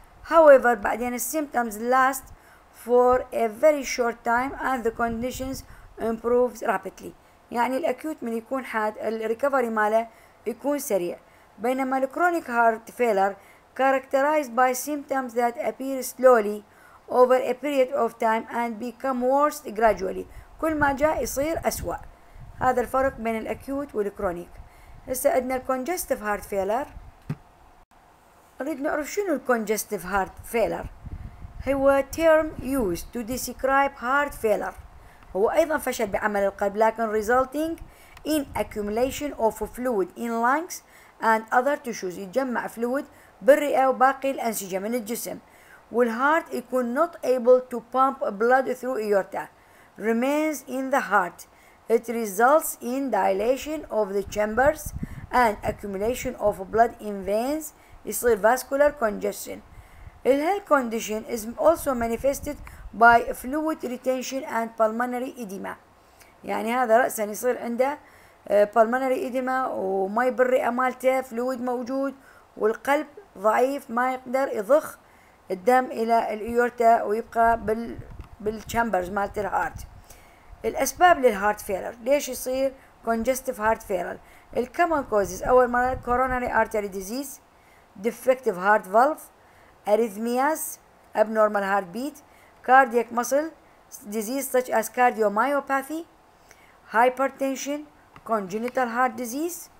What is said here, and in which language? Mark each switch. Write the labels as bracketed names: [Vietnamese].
[English] However, [Arabic] بعدين [English] the symptoms last for a very short time and the conditions improves rapidly. [Arabic] يعني الأكيوت من يكون حاد الريكفري ماله يكون سريع. بينما الكرونيك [English] heart failure characterized by symptoms that appear slowly over a period of time and become worse gradually، [Arabic] كل ما جاء يصير أسوأ. هذا الفرق بين الأكيوت والكرونيك. هسه عندنا الكونجستيف هارت فيلر، نريد نعرف شنو الكونجستيف هارت فيلر. [English] هو term used to describe heart failure، [Arabic] هو أيضا فشل بعمل القلب لكن [English] resulting in accumulation of fluid in lungs and other tissues، يتجمع fluid [Arabic] بالرئة وباقي الأنسجة من الجسم. والهارت يكون [English] not able to pump blood through aorta remains in the heart. It results in dilation of the chambers and accumulation of blood in veins. [Arabic] يصير [English] vascular congestion. The health condition is also manifested by fluid retention and pulmonary edema. [Arabic] يعني هذا رأسا يصير عنده pulmonary edema وما يبري أمالته، فلويد موجود والقلب ضعيف ما يقدر يضخ الدم إلى الأيورتا ويبقى بالشامبرز مالت الهارت. الأسباب للهارت فيلر، ليش يصير [English] congestive heart failure؟ The common causes، [Arabic] أول مرة [English] coronary artery disease، defective heart valve، arrhythmias، abnormal heartbeat، cardiac muscle disease such as cardiomyopathy، hypertension، congenital heart disease،